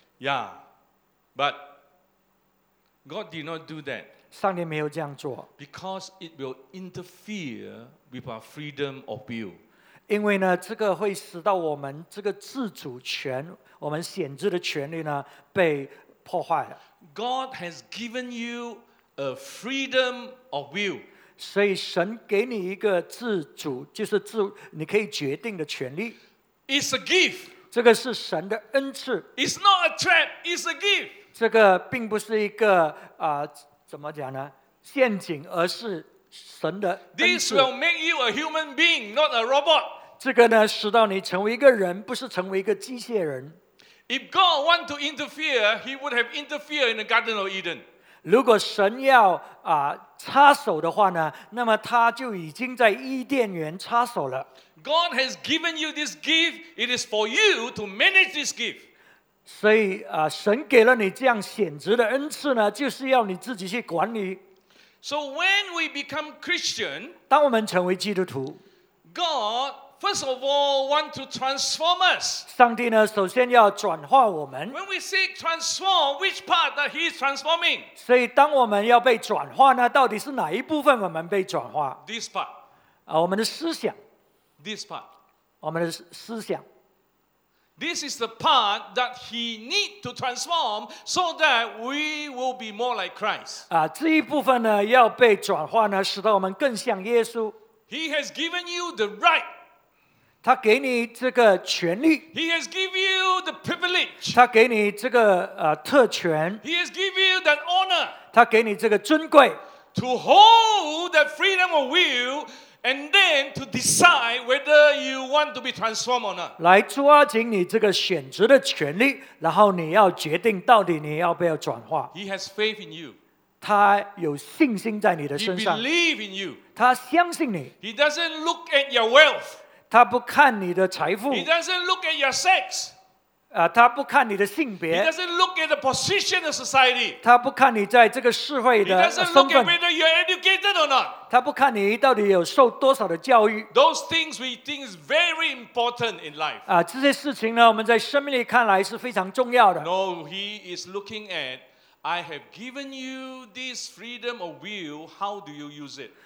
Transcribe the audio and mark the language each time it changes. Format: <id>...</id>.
<en>Yeah, but. God did not do that.</en> <zh>上帝没有这样做。</zh> <en>Because it will interfere with our freedom of will.</en> <zh>因为呢，这个会使到我们这个自主权，我们显著的权利呢被破坏了。</zh> <en>God has given you a freedom of will.</en> <zh>所以神给你一个自主，就是你可以决定的权利。</zh> <en>It's a gift.</en> <zh>这个是神的恩赐。</zh> <en>It's not a trap, it's a gift.</en> <zh>这个并不是一个, 怎么讲呢? 陷阱, 而是神的恩赐。</zh> <en>This will make you a human being, not a robot.</en> <zh>这个呢, 使到你成为一个人, 不是成为一个机械人。</zh> <en>If God wanted to interfere, He would have interfered in the Garden of Eden.</en> <zh>如果神要, 插手的话呢, 那么他就已经在伊甸园插手了。</zh> <en>God has given you this gift. It is for you to manage this gift.</en> <zh>所以, 神给了你这样显职的恩赐呢, 就是要你自己去管理。</zh> <en>So when we become Christian,</en> <zh>当我们成为基督徒,</zh> <en>God, first of all, wants to transform us.</en> <zh>上帝呢, 首先要转化我们。</zh> <en>When we say transform, which part that He is transforming?</en> <zh>所以当我们要被转化呢, 到底是哪一部分我们被转化?</zh> <en>This part.</en> <zh>我们的思想。</zh> <en>This part.</en> <zh>我们的思想。</zh> <en>This is the part that He needs to transform so that we will be more like Christ.</en> <zh>这一部分呢, 要被转化呢, 使到我们更像耶稣。</zh> <en>He has given you the right.</en> <zh>他给你这个权利。</zh> <en>He has given you the privilege.</en> <zh>他给你这个, 特权。</zh> <en>He has given you that honor.</en> <zh>他给你这个尊贵。</zh> <en>To hold that freedom of will. And then to decide whether you want to be transformed or not.</en> <zh>来抓紧你这个选择的权利, 然后你要决定到底你要不要转化。</zh> <en>He has faith in you.</en> <zh>他有信心在你的身上。</zh> <en>He believes in you.</en> <zh>他相信你。</zh> <en>He doesn't look at your wealth.</en> <zh>他不看你的财富。</zh> <en>He doesn't look at your sex.</en> <zh>他不看你的性别。</zh> <en>He doesn't look at the position of society.</en> <zh>他不看你在这个社会的身份。</zh> <en>He doesn't look at whether you're educated or not.</en> <zh>他不看你到底有受多少的教育。</zh> <en>Those things we think is very important in life.</en> <zh>这些事情呢, 我们在生命里看来是非常重要的。</zh> <en>No, He is looking at, I have given you this freedom of will, how do you use it?</en>